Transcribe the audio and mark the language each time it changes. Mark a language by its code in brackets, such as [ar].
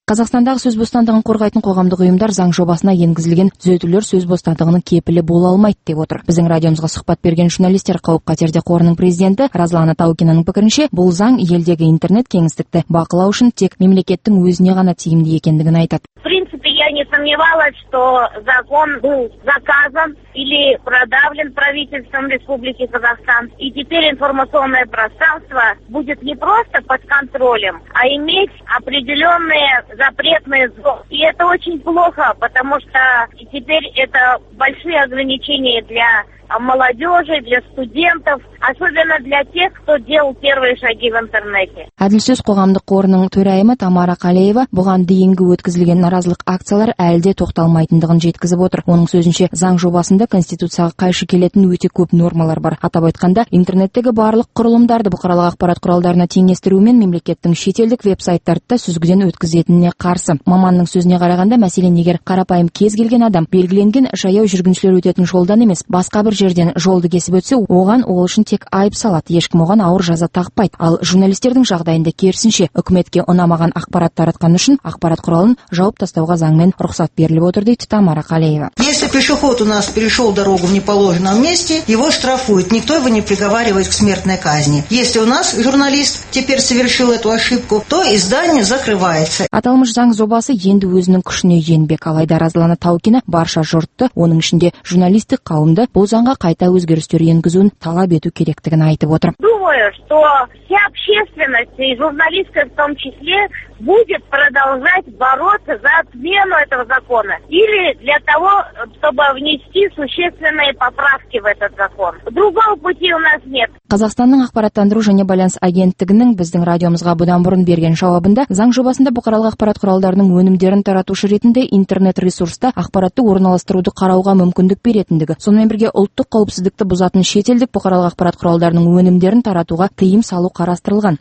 [kk] Қазақстандағы сөз бостандығын қорғайтын қоғамдық ұйымдар заң жобасына енгізілген түзетулер сөз бостандығының кепілі бола алмайды, деп отыр. Біздің радиомызға сұхбат берген журналистер қауіп-қатерде қорының президенті Разлана Таукинаның пікірінше, бұл заң елдегі интернет кеңістікті бақылау үшін тек мемлекеттің өзіне ғана тиімді екендігін айтады. [ru] Не сомневалась, что закон был заказан или продавлен правительством Республики Казахстан. И теперь информационное пространство будет не просто под контролем, а иметь определенные запретные зоны. И это очень плохо, потому что теперь это большие ограничения для молодежи, для студентов, особенно для тех, кто делал первые шаги в интернете. [kk] Әділсіз қоғамдық қорының төрайымы Тамара Қалеева бұған дейінгі өткізілген наразылық акциялар әлде тоқталмайтындығын жеткізіп отыр. Оның сөзінше, заң жобасында конституцияға қайшы келетін өте көп нормалар бар. Атап айтқанда, интернеттегі барлық құрылымдарды бұқаралық ақпарат құралдарына теңестірумен мемлекеттің шетелдік веб-сайттарды да сүзгіден өткізетініне қарсы. Маманның сөзіне қарағанда, мәселен, егер қарапайым кез келген адам белгіленген жаяу жүргіншілер өтетін жолдан емес, басқа бір жерден жолды кесіп өтсе, оған ол үшін тек айып салады, ешкім оған ауыр жаза тақпайды. Ал журналистердің жағдайында керісінше, үкіметке ұнамаған ақпарат таратқан үшін ақпарат құралын жауып тастауға заңмен рұқсат беріліп отыр, дейді Тамара Қалеева. [ru] Если пешеход у нас перешел дорогу в неположенном месте, его штрафуют. Никто его не приговаривает к смертной казни. Если у нас журналист теперь совершил эту ошибку, то издание закрывается. [kk] Аталмыш заң жобасы енді өзінің күшіне енбек. Алайда Разлана Таукина барша жұртты, оның ішінде журналистік қауымды бұл заңға қайта өзгерістер енгізуін талап ету керектігін айтып отыр. [ru] Думаю, что вся общественность и журналисты в том числе будет продолжать бороться за отмену этого закона или для того, чтобы внести существенные поправки в этот закон. Другого пути у нас нет. [kk] Қазақстанның ақпараттандыру және байланыс агенттігінің біздің радиомызға бұдан бұрын берген жауабында заң жобасында бұқаралық ақпарат құралдарының өнімдерін таратушы ретінде интернет ресурста ақпаратты орналастыруды қарауға мүмкіндік беретіндігі, сонымен бірге ұлттық қауіпсіздікті бұзатын шетелдік бұқаралық ақпарат құралдарының өнімдерін таратуға тыйым салу қарастырылған.